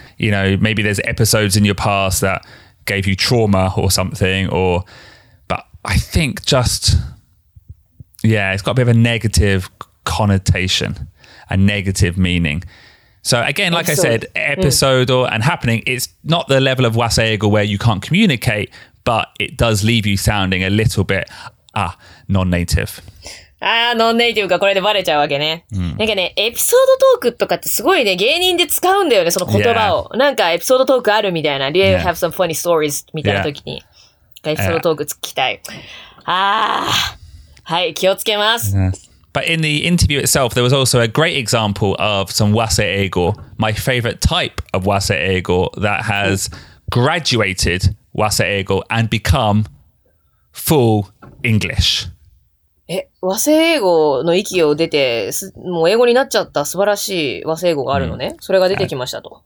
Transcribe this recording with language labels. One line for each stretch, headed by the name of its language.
English: You know, maybe there's episodes in your past that gave you trauma or something, or, but I think just, yeah, it's got a bit of a negative connotation, a negative meaning. So again, like episode. I said, episode or and happening, it's not the level of wasaego where you can't communicate, but it does leave you sounding a little bit, non-native.
Japanese: ああ、ノンネイティブがこれでバレちゃうわけね、うん。なんかね、エピソードトークとかってすごいね、芸人で使うんだよね、その言葉を。
English: Yeah.
Japanese: なんかエピソードトークあるみたいな。
English: Do you have some funny stories?
Japanese: みたいな時に。Yeah. エピソードトーク聞きたい。ああ、はい、気をつけます。
English: Yeah. But in the interview itself, there was also a great example of some wasaego, my favorite type of wasaego that has graduated wasaego and become full English.
Japanese: え、和製英語の息を出て、もう英語になっちゃった素晴らしい和製英語があるのね。それが出てきましたと。